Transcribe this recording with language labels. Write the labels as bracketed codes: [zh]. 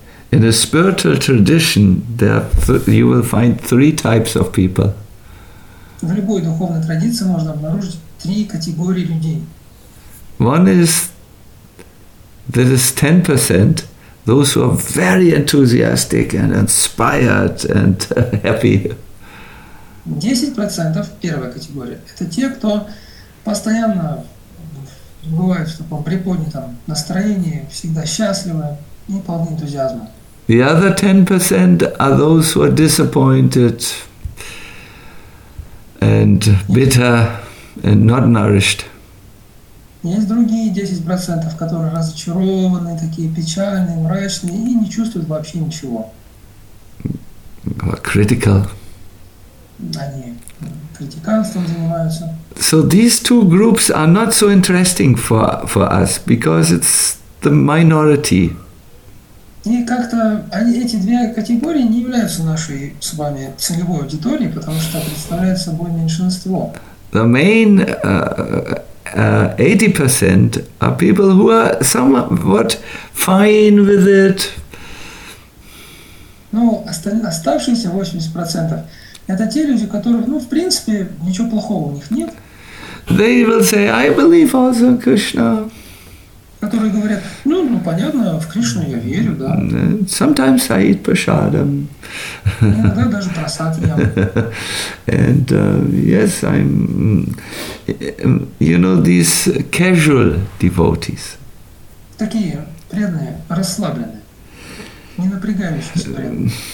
[en] In a spiritual tradition, you will find three types of people. [ru] В любой духовной традиции можно обнаружить три категории людей. [en] One is, this is 10%, those who are very enthusiastic and inspired and happy. [ru] 10% первая категория – это те, кто постоянно бывает в таком приподнятом настроении, всегда счастливы и полны энтузиазма. [en] The other 10% are those who are disappointed and bitter and not nourished. [ru] Есть другие 10%, которые разочарованы, такие печальные, мрачные и не чувствуют вообще ничего. [en] Or critical. [ru] Они критиканством занимаются. [en] So these two groups are not so interesting for us because it's the minority. [ru] И как-то они, эти две категории не являются нашей с вами целевой аудиторией, потому что представляют собой меньшинство. [en] The main 80% are people who are somewhat fine with it. [ru] Ну, оставшиеся 80% это те люди, которые, ну, в принципе, ничего плохого у них нет. [en] They will say, I believe also in Krishna. [ru] Которые говорят, ну понятно, в Кришну я верю, да. [en] Sometimes I eat prasadam. [ru] Иногда даже прасад ем. [en] And yes, I'm, you know, these casual devotees. [ru] Такие преданные, расслабленные, не напрягающиеся преданные.